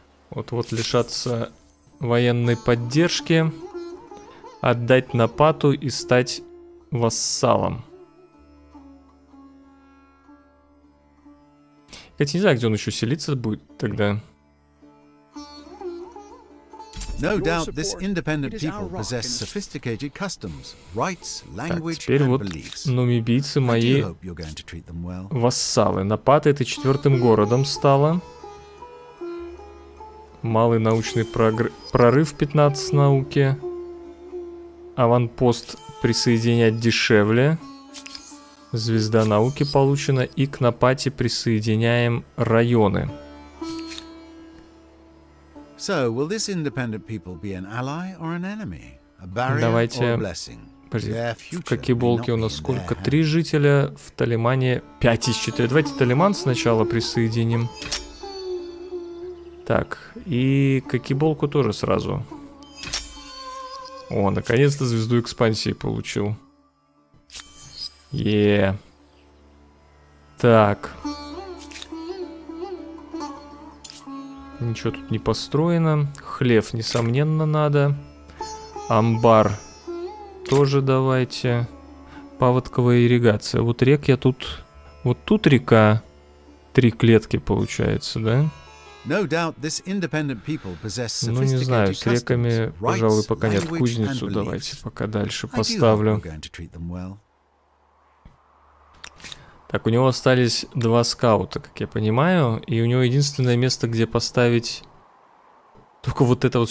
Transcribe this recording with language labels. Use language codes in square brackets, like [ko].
[ru] Вот-вот лишаться военной поддержки. Отдать Напату и стать вассалом. Хотя не знаю, где он еще селиться будет тогда. [en] No doubt this independent people possess sophisticated customs, rights, language, and beliefs. [ru] Нумибийцы мои вассалы. Напата это четвертым городом стало. Малый научный прорыв 15 науки. Аванпост присоединять дешевле. Звезда науки получена, и к Напате присоединяем районы. [en] So, will this independent people be an ally or an enemy? A barrier or a blessing? [ru] Давайте, в Кокеболке у нас сколько? Три жителя, в Талимане 5 из 4. Давайте Талиман сначала присоединим. Так, и Кокеболку тоже сразу. О, наконец-то звезду экспансии получил. Так. Ничего тут не построено. Хлев, несомненно, надо. Амбар тоже давайте. Паводковая ирригация. Вот рек я тут... Вот тут река. Три клетки получается, да? [en] No doubt this independent people possess sophisticated customs, rights, language, and beliefs. [ru] Ну, не знаю, с реками, пожалуй, пока нет. Кузницу давайте пока дальше поставлю. Так, у него остались два скаута, как я понимаю. И у него единственное место, где поставить... Только вот это вот.